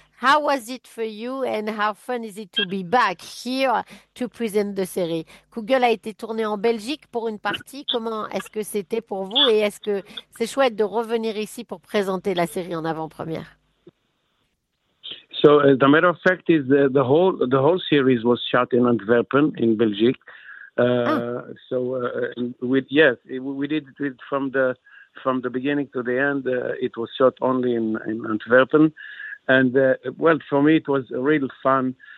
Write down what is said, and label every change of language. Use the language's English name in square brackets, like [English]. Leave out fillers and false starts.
[English] How was it for you and how fun is it to be back here to present the series? [French] Google a été tourné en Belgique pour une partie. Comment est-ce que c'était pour vous et est-ce que c'est chouette de revenir ici pour présenter la série en avant-première? [English] So, the matter of fact is the whole series was shot in Antwerpen, in Belgium. Ah. With yes, we did it from the beginning to the end. It was shot only in Antwerpen, and well, for me it was real fun.